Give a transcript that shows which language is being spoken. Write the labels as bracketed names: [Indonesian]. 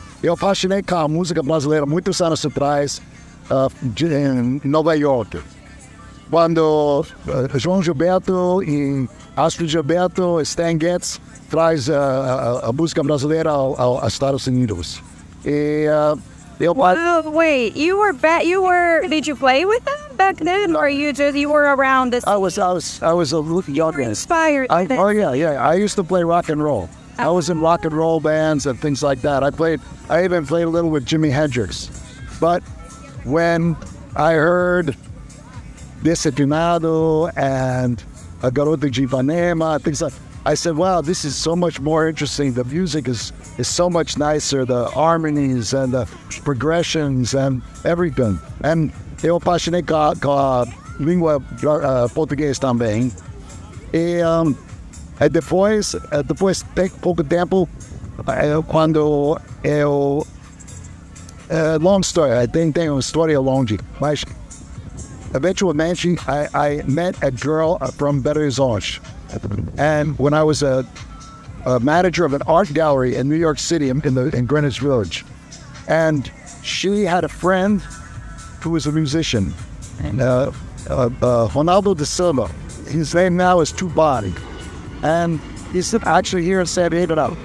[Portuguese] Eu apaixonei com a música brasileira muitos anos atrás, em Nova York. Quando João Gilberto e Astrid Gilberto e Stan Getz traz a música brasileira aos Estados Unidos. E [English] Did you play with them back then, or you were around this? I was a little younger. Inspired. I used to play rock and roll. I was in rock and roll bands and things like that. I even played a little with Jimi Hendrix. But when I heard Desafinado and A Garota de Ipanema, things like, I said, wow, this is so much more interesting. The music is so much nicer. The harmonies and the progressions and everything. [Portuguese] And eu apaixonei com a língua portuguesa também. E depois, tem pouco tempo, quando eu... [English] long story, [Portuguese] tem uma história longa, mas eventualmente, [English] I met a girl from Belo Horizonte. And when I was a manager of an art gallery in New York City, in Greenwich Village, and she had a friend who was a musician, Ronaldo da Silva. His name now is Tubari. And he's actually here in San Diego now.